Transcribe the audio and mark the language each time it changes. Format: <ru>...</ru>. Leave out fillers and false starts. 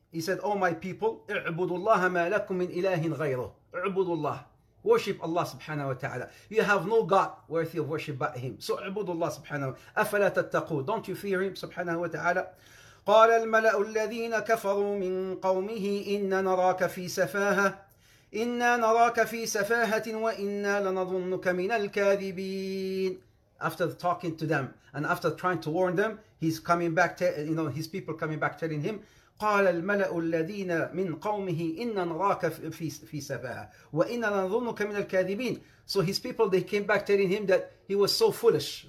<en>He said, oh my people,</en> <ar>اعبدوا الله ما لكم من إله غيره. اعبدوا الله.</ar> <en>Worship Allah subhanahu wa ta'ala. You have no God worthy of worship but Him. So</en> <ar>اعبدوا الله</ar> <en>subhanahu wa ta'ala.</en> <ar>أفلا تتقون.</ar> <en>Don't you fear Him subhanahu wa ta'ala.</en> <ar>قال الملأ الذين كفروا من قومه إن نراك في سفاهة إنا نراك في سفاهة وإنا لنظنك من الكاذبين.</ar> <en>After talking to them and after trying to warn them, he's coming back, his people coming back telling him,</en> <ar>قال الملأ الذين من قومه إنا نراك في سفاهة وإنا لنظنك من الكاذبين.</ar> <en>So his people, they came back telling him that he was so foolish.</en>